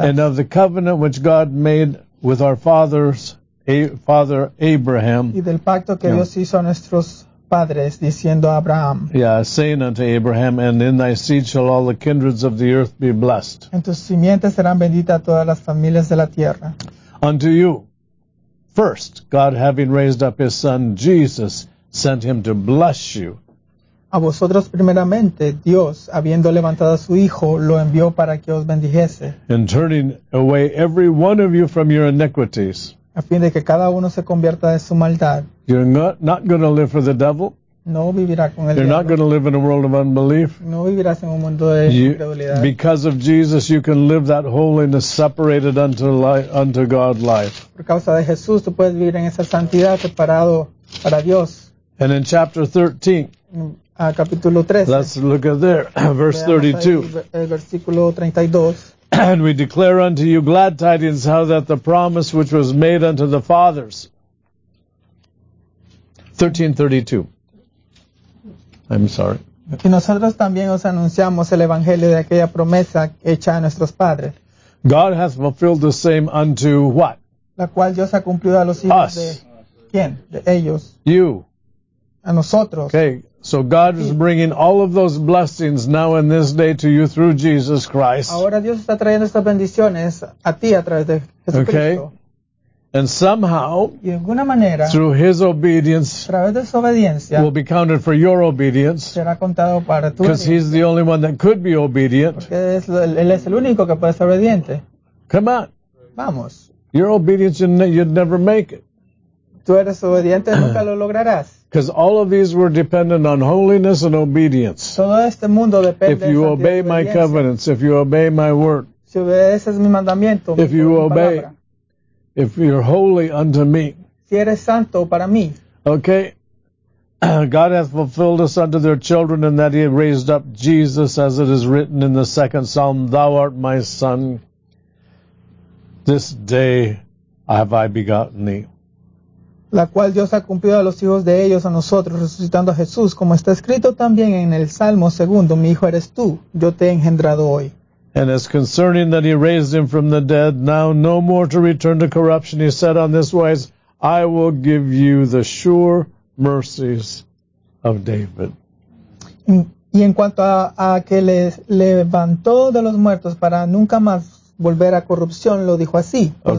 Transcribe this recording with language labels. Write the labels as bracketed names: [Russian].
[English] And of the covenant which God made with our fathers, father Abraham. [Spanish] Y del pacto que Dios hizo a nuestros padres, diciendo a Abraham. [English] Yeah, saying unto Abraham, and in thy seed shall all the kindreds of the earth be blessed. [Spanish] En tus simientes serán benditas todas las familias de la tierra. [English] Unto you, first, God having raised up his son Jesus, sent him to bless you. [Spanish] A vosotros primeramente, Dios, habiendo levantado a su hijo, lo envió para que os bendijese. [English] In turning away every one of you from your iniquities. [Spanish] A fin de que cada uno se convierta de su maldad. [English] You're not going to live for the devil. [Spanish] No vivirá con el [English] you're [Spanish] diablo. [English] Not going to live in a world of unbelief. [Spanish] No vivirás en un mundo de incredulidad. [English] Because of Jesus, you can live that holiness separated unto God life. [Spanish] Por causa de Jesús, tú puedes vivir en esa santidad separado para Dios. [English] And in chapter 13, [Spanish] a capítulo 13, [English] let's look at there, verse 32. [Spanish] El versículo 32. [English] And we declare unto you glad tidings, how that the promise which was made unto the fathers. 13:32. I'm sorry. [Spanish] Y nosotros también os anunciamos el evangelio de aquella promesa hecha a nuestros padres. [English] God hath fulfilled the same unto what? [Spanish] La cual Dios ha cumplido a los hijos De quién? De ellos. [English] You. [Spanish] A nosotros. [English] Okay. So God is bringing all of those blessings now in this day to you through Jesus Christ. [Spanish] Ahora Dios está trayendo estas bendiciones a ti a través de Jesucristo. [English] Okay. And somehow, [Spanish] y de alguna manera, [English] through his obedience, [Spanish] a través de su obediencia, [English] will be counted for your obedience. [Spanish] Será contado para tu [English] Because he's the only one that could be obedient. [Spanish] Porque es, él es el único que puede ser obediente. [English] Come on. [Spanish] Vamos. [English] Your obedience, you'd never make it. [Spanish] Tú eres obediente, nunca lo lograrás. [English] Because all of these were dependent on holiness and obedience. [Spanish] Todo este mundo depende [English] if you [Spanish] de [English] obey my covenants, if you obey my word, [Spanish] si obedeces mi mandamiento, [English] if you obey, [Spanish] palabra. [English] If you're holy unto me, [Spanish] si eres santo para mí. [English] Okay, God hath fulfilled us unto their children in that he had raised up Jesus as it is written in the second Psalm, Thou art my son, this day have I begotten thee. [Spanish] La cual Dios ha cumplido a los hijos de ellos a nosotros, resucitando a Jesús, como está escrito también en el Salmo 2, mi hijo eres tú, yo te he engendrado hoy. [English] And as concerning that he raised him from the dead, now no more to return to corruption, he said on this wise, I will give you the sure mercies of David. [Spanish] Y en cuanto a que le levantó de los muertos para nunca más volver a corrupción, lo dijo así, os